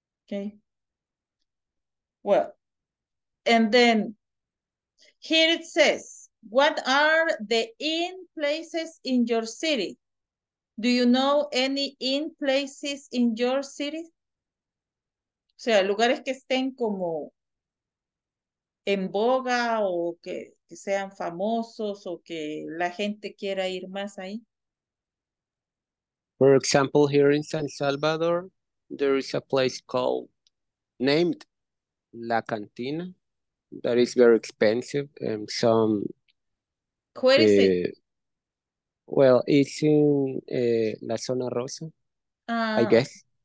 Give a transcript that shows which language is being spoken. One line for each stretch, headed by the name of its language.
English: Okay. Well, and then here it says, what are the in places in your city? Do you know any in places in your city?
Spanish: O sea, lugares que estén como en boga o que sean famosos o que la gente quiera ir más ahí.
English: For example, here in San Salvador, there is a place named La Cantina that is very expensive and some... Where is it? Well, it's in La Zona Rosa, I guess.